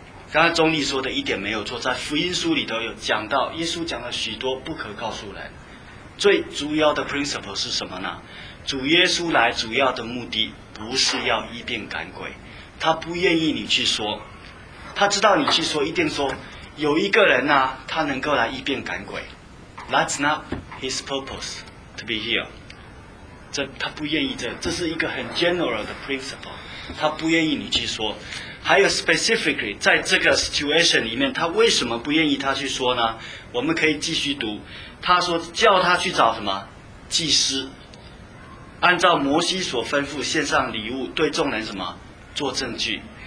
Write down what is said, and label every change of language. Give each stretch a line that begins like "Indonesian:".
Chinese: 刚才钟丽说的一点没有错，在福音书里头有讲到，耶稣讲了许多不可告诉人。最主要的 principle 是什么呢？主耶稣来主要的目的不是要医病赶鬼，他不愿意你去说，他知道你去说一定说有一个人啊，他能够来医病赶鬼。
English: That's not his purpose to be here.
Chinese: 这他不愿意这，这是一个很 general 的 principle. 他不愿意你去说。还有 specifically 在这个 situation 里面，他为什么不愿意他去说呢？我们可以继续读。他说叫他去找什么祭司，按照摩西所吩咐献上礼物，对众人什么做证据。